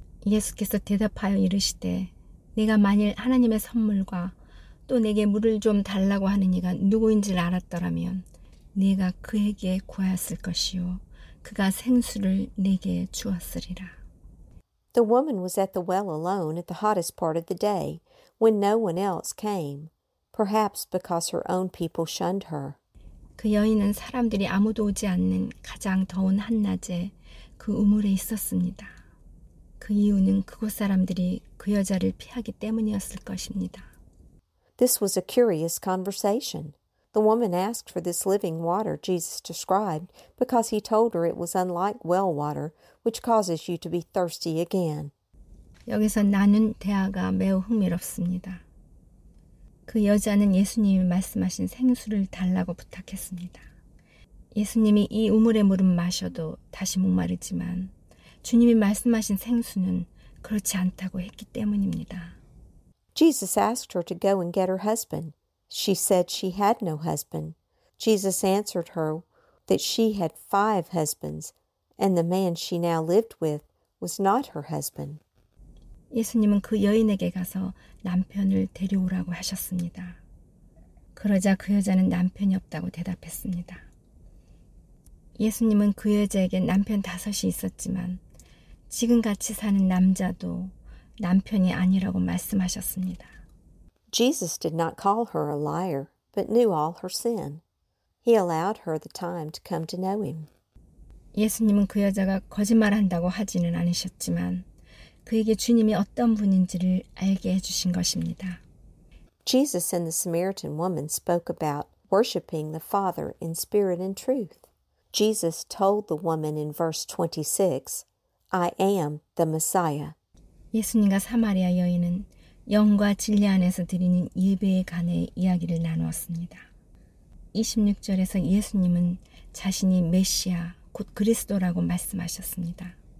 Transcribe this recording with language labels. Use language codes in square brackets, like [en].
[ko] 예수께서 대답하여 이르시되 내가 만일 하나님의 선물과 또 내게 물을 좀 달라고 하는 이가 누구인지를 알았더라면 내가 그에게 구하였을 것이요 그가 생수를 내게 주었으리라. [en] The woman was at the well alone at the hottest part of the day when no one else came, perhaps because her own people shunned her. [ko] 그 여인은 사람들이 아무도 오지 않는 가장 더운 한낮에 그 우물에 있었습니다. 그 이유는 그곳 사람들이 그 여자를 피하기 때문이었을 것입니다. [en] This was a curious conversation. The woman asked for this living water Jesus described because he told her it was unlike well water, which causes you to be thirsty again. [ko] 여기서 나는 대화가 매우 흥미롭습니다. 그 여자는 예수님이 말씀하신 생수를 달라고 부탁했습니다. 예수님이 이 우물의 물은 마셔도 다시 목마르지만 주님이 말씀하신 생수는 그렇지 않다고 했기 때문입니다. [en] Jesus asked her to go and get her husband. She said she had no husband. Jesus answered her that she had five husbands, and the man she now lived with was not her husband. [ko] 예수님은 그 여인에게 가서 남편을 데려오라고 하셨습니다. 그러자 그 여자는 남편이 없다고 대답했습니다. 예수님은 그 여자에게 남편 다섯이 있었지만 지금 같이 사는 남자도 남편이 아니라고 말씀하셨습니다. [en] Jesus did not call her a liar, but knew all her sin. He allowed her the time to come to know him. [ko] 예수님은 그 여자가 거짓말한다고 하지는 않으셨지만 그에게 주님이 어떤 분인지를 알게 해주신 것입니다. [en] Jesus and the Samaritan woman spoke about worshiping the Father in spirit and truth. Jesus told the woman in verse 26, I am the Messiah. [ko] 예수님과 사마리아 여인은 영과 진리 안에서 드리는 예배에 관해 이야기를 나누었습니다. 26절에서 예수님은 자신이 메시아, 곧 그리스도라고 말씀하셨습니다.